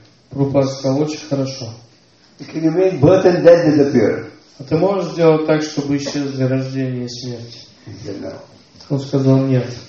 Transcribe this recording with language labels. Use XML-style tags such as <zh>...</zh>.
<ru>Прабхупада сказал, очень хорошо.</ru> <en>Can you make birth and death disappear?</en> <ru>А ты можешь сделать так, чтобы исчезли рождение и смерть? Он сказал, нет.</ru>